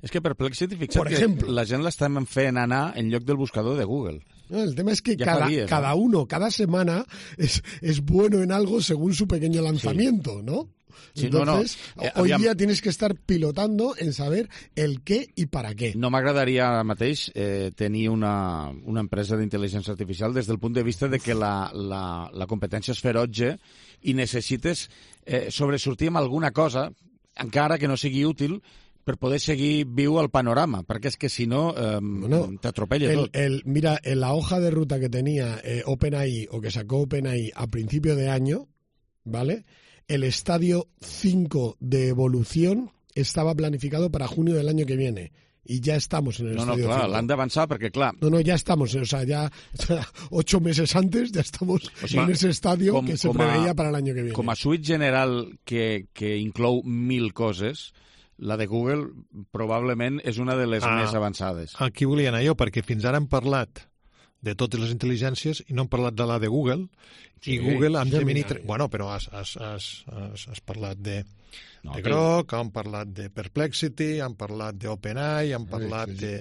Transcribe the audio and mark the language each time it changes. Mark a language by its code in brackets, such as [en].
[es] Es que Perplexity, fíjate, por ejemplo, que [ca] la gent l'estem fent anar en lloc del buscador de Google. [es] El tema es que ya cada semana es bueno en algo según su pequeño lanzamiento, sí. ¿No? Sí, entonces, no. Hoy día tienes que estar pilotando en saber el qué y para qué. [ca] No m'agradaria ara mateix tenir una empresa d'intel·ligència artificial des del punt de vista de que la competència és feroge i necessites sobresortir amb alguna cosa, encara que no sigui útil, per poder seguir viu al panorama, perquè és que si no, t'atropella tot. [es] Mira, en la hoja de ruta que tenia OpenAI, o que sacó OpenAI a principio de año, ¿vale?, el estadio 5 de evolución estaba planificado para junio del año que viene. Y ya estamos en el estadio 5. [ca] No, claro, l'han d'avançar perquè, clar... [es] No, ya estamos. O sea, ya 8 meses antes ya estamos en ese estadio que se preveía para el año que viene. [ca] Com a suite general que inclou 1.000 coses, la de Google probablement és una de les més avançades. Aquí volia anar jo, perquè fins ara hem parlat de totes les intel·ligències i no hem parlat de la de Google, sí, i Google amb Gemini... Bueno, però has parlat de Grok, han parlat de Perplexity, han parlat d'OpenAI, han parlat de...